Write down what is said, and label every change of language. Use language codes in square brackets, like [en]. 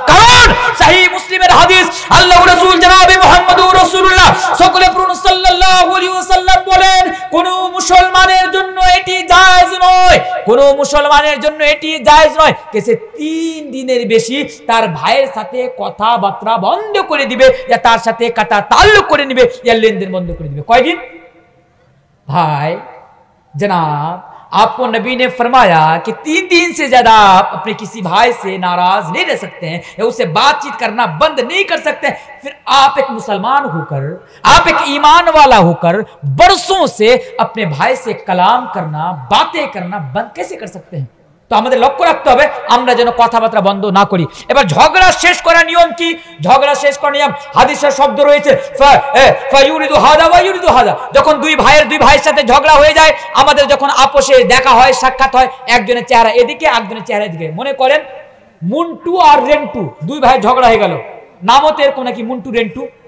[bn] কারণ সহিহ মুসলিমের হাদিস, আল্লাহর রাসূল জনাবে মুহাম্মদুর রাসূলুল্লাহ সকলে প্রণ সাল্লাল্লাহু আলাইহি ওয়াসাল্লাম বলেন, কোন মুসলমানের জন্য এটি জায়েজ নয়, কোন মুসলমানের জন্য এটি জায়েজ নয় যে সে 3 দিনের বেশি তার ভাইয়ের সাথে কথাবার্তা বন্ধ করে দিবে, যা তার সাথে কাটা তাল্লুক করে নেবে, যা লেনদেন বন্ধ করে দিবে। কয়দিন ভাই জনাব, [hi] आपको नबी ने फरमाया कि तीन दिन से ज्यादा आप अपने किसी भाई से नाराज नहीं रह सकते हैं या उससे बातचीत करना बंद नहीं कर सकते, फिर आप एक मुसलमान होकर, आप एक ईमान वाला होकर बरसों से अपने भाई से कलाम करना, बातें करना बंद कैसे कर सकते हैं? तो हमें लक्ष्य रखते हैं [bn] আমরা যেন কথাবার্তা বন্ধ না করি। এবার ঝগড়া শেষ করার নিয়ম কি? ঝগড়া শেষ করার নিয়ম হাদিসের শব্দ রয়েছে [ar] ফায়ুরিদু হাদা ওয়া ইউরিদু হাদা। [bn] যখন দুই ভাইয়ের সাথে ঝগড়া হয়ে যায়, আমাদের যখন আপোষে দেখা হয়, সাক্ষাৎ হয়, একজনের চেহারা এদিকে একজনের চেহারা এদিকে, মনে করেন মুন্টু আর রেন্টু দুই ভাই ঝগড়া হয়ে গেল, নামতে এরকম নাকি মুন্টু রেন্টু।